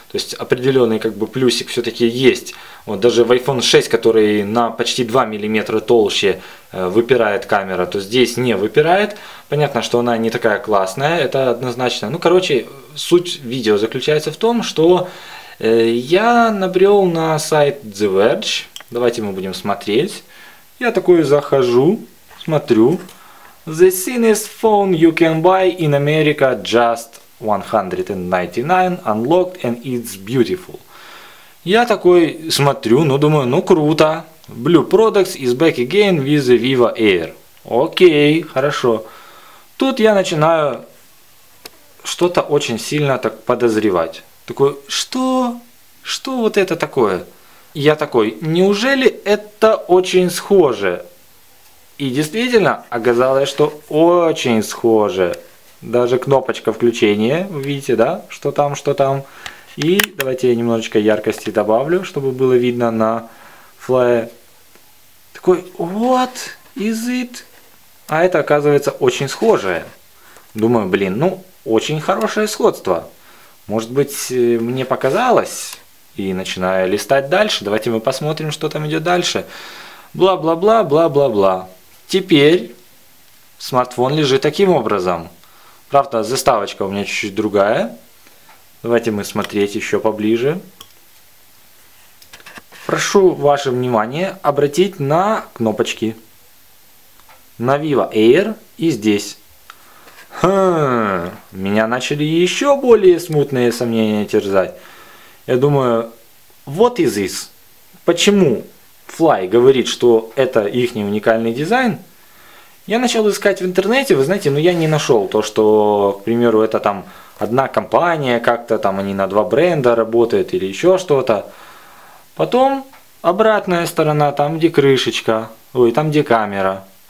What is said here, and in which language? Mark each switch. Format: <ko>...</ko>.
<ru>То есть определенный как бы плюсик все-таки есть. Вот даже в iPhone 6, который на почти 2 мм толще выпирает камера, то здесь не выпирает. Понятно, что она не такая классная, это однозначно. Ну, короче, суть видео заключается в том, что я набрел на сайт The Verge. Давайте мы будем смотреть. Я такой захожу, смотрю.</ru> <en>The thinnest phone you can buy in America just 199 unlocked and it's beautiful.</en> <ru>Я такой смотрю, ну думаю, ну круто.</ru> <en>Blue Products is back again with the Vivo Air.</en> <ru>Окей, хорошо. Тут я начинаю что-то очень сильно так подозревать. Такой, что? Что вот это такое? Я такой, неужели это очень схоже? И действительно, оказалось, что очень схоже. Даже кнопочка включения, вы видите, да? Что там, что там. И давайте я немножечко яркости добавлю, чтобы было видно на флае.</ru> <en>Такой, what is it?</en> <ru>А это оказывается очень схожее. Думаю, блин, ну очень хорошее сходство. Может быть, мне показалось. И начинаю листать дальше. Давайте мы посмотрим, что там идет дальше. Бла-бла-бла, бла-бла-бла. Теперь смартфон лежит таким образом. Правда, заставочка у меня чуть-чуть другая. Давайте мы смотреть еще поближе. Прошу ваше внимание обратить на кнопочки. На Vivo Air и здесь. Меня начали еще более смутные сомнения терзать. Я думаю,</ru> <en>what is this?</en> <ru>Почему Fly говорит, что это их уникальный дизайн? Я начал искать в интернете, вы знаете, но я не нашел то, что, к примеру, это там одна компания, как-то там они на два бренда работают или еще что-то. Потом обратная сторона, там где крышечка, ой, там где камера.</ru>